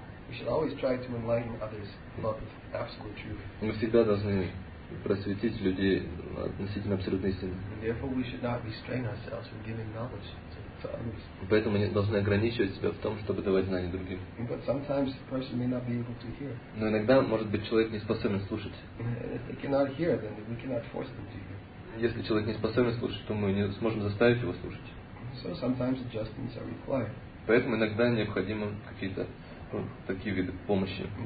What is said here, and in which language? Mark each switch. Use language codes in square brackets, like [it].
[en] We should always try to enlighten others about the absolute truth. [ru] Мы всегда должны просветить людей относительно абсолютной истины. [en] Therefore, we should not restrain ourselves from giving knowledge to others. [ru] Поэтому мы должны ограничивать себя в том, чтобы давать знания другим. [en] But sometimes the person may not be able to hear. [ru] Но иногда, может быть, человек не способен слушать. [en] If they cannot hear, then we cannot force them to hear. [ru] Если человек не способен слушать, то мы не сможем заставить его слушать. [en] So sometimes adjustments are required. [ru] Поэтому иногда необходимы какие-то такие виды помощи.